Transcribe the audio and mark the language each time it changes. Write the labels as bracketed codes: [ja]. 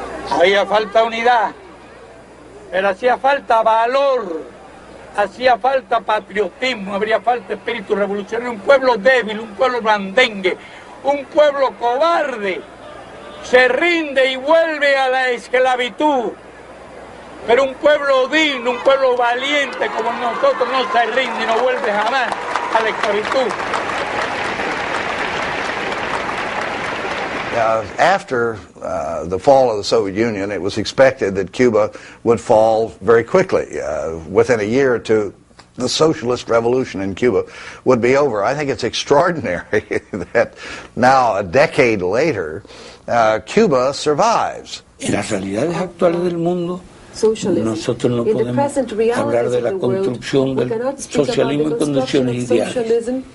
[es] Había falta unidad, pero hacía falta valor, hacía falta patriotismo, habría falta espíritu revolucionario, un pueblo débil, un pueblo blandengue, un pueblo cobarde. Se rinde y vuelve a la esclavitud, pero un pueblo digno, un pueblo valiente como nosotros no se rinde y no vuelve jamás a la esclavitud. [en] After the fall of the Soviet Union, it was expected that Cuba would fall very quickly, within a year or two. The socialist revolution in Cuba would be over. I think it's extraordinary that now, a decade later, Cuba survives. [es] En las realidades actuales del mundo, nosotros no podemos hablar de la construcción del socialismo en condiciones ideales.